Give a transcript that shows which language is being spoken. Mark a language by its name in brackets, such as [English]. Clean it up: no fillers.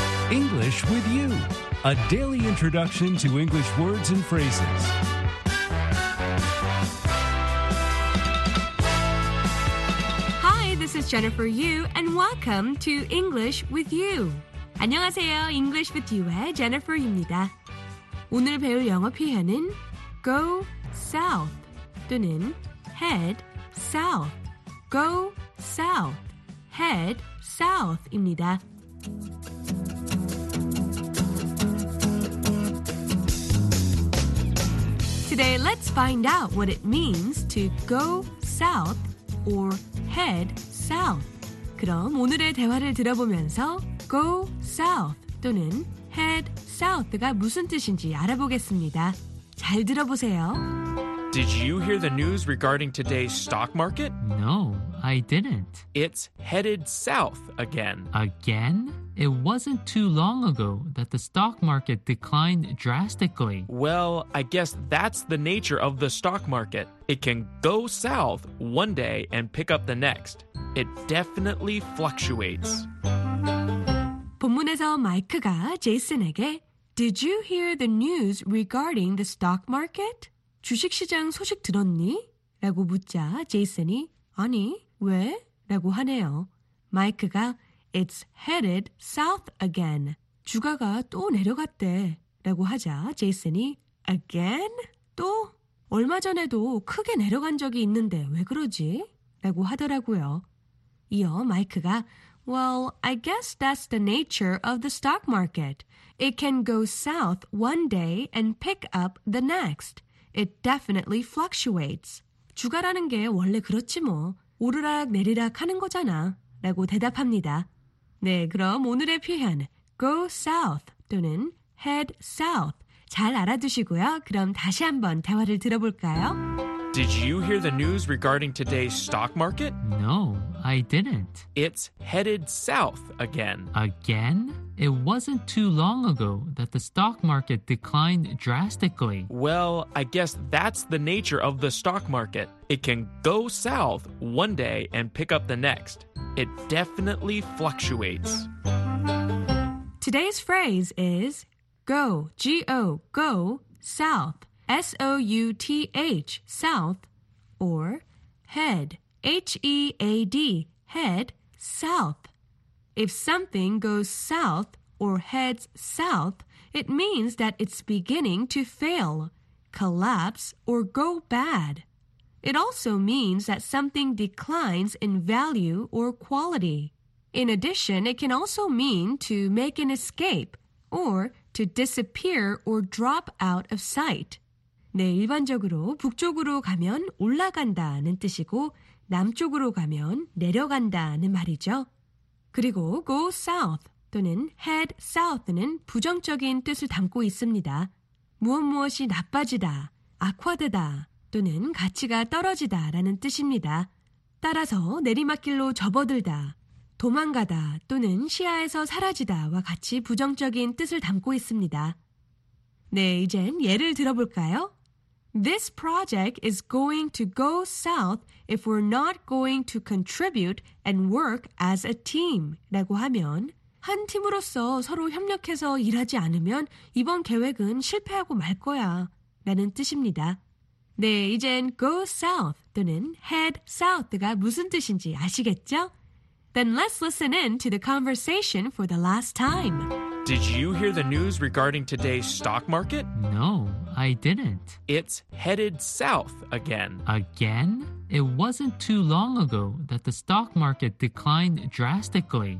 [English] English with you, a daily introduction to English words and phrases. Hi, this is Jennifer Yu, and welcome to English with you. [Korean] 안녕하세요, English with you의 Jennifer입니다. 오늘 배울 영어 표현은 go south 또는 head south. Go south, head south입니다. [English] 오늘 let's find out what it means to go south or head south. [Korean] 그럼 오늘의 대화를 들어보면서 go south 또는 head south가 무슨 뜻인지 알아보겠습니다. 잘 들어보세요. [English] Did you hear the news regarding today's stock market? No, I didn't. It's headed south again. Again? It wasn't too long ago that the stock market declined drastically. Well, I guess that's the nature of the stock market. It can go south one day and pick up the next. It definitely fluctuates. [Korean] 본문에서 마이크가 제이슨에게 [English] Did you hear the news regarding the stock market? [Korean] 주식시장 소식 들었니? 라고 묻자 제이슨이 아니, 왜? 라고 하네요. 마이크가 [English] It's headed south again. [Korean] 주가가 또 내려갔대. 라고 하자 제이슨이 again? 또? 얼마 전에도 크게 내려간 적이 있는데 왜 그러지? 라고 하더라고요. 이어 마이크가 [English] Well, I guess that's the nature of the stock market. It can go south one day and pick up the next. It definitely fluctuates. [Korean] 주가라는 게 원래 그렇지 뭐. 오르락 내리락 하는 거잖아. 라고 대답합니다. 네, 그럼 오늘의 표현 go south 또는 head south 잘 알아두시고요. 그럼 다시 한번 대화를 들어볼까요? [English] Did you hear the news regarding today's stock market? No, I didn't. It's headed south again. Again? It wasn't too long ago that the stock market declined drastically. Well, I guess that's the nature of the stock market. It can go south one day and pick up the next. It definitely fluctuates. Today's phrase is go, G-O, go, south, S-O-U-T-H, south, or head, H-E-A-D, head, south. If something goes south or heads south, it means that it's beginning to fail, collapse, or go bad. It also means that something declines in value or quality. In addition, it can also mean to make an escape or to disappear or drop out of sight. [Korean] 네, 일반적으로 북쪽으로 가면 올라간다는 뜻이고 남쪽으로 가면 내려간다는 말이죠. 그리고 go south 또는 head south는 부정적인 뜻을 담고 있습니다. 무엇무엇이 나빠지다, 악화되다 또는 가치가 떨어지다라는 뜻입니다. 따라서 내리막길로 접어들다, 도망가다 또는 시야에서 사라지다와 같이 부정적인 뜻을 담고 있습니다. 네, 이젠 예를 들어볼까요? [English] This project is going to go south if we're not going to contribute and work as a team. [Korean] 라고 하면 한 팀으로서 서로 협력해서 일하지 않으면 이번 계획은 실패하고 말 거야 라는 뜻입니다. 네, 이젠 go south 또는 head south가 무슨 뜻인지 아시겠죠? [English] Then let's listen in to the conversation for the last time. Did you hear the news regarding today's stock market? No, I didn't. It's headed south again. Again? It wasn't too long ago that the stock market declined drastically.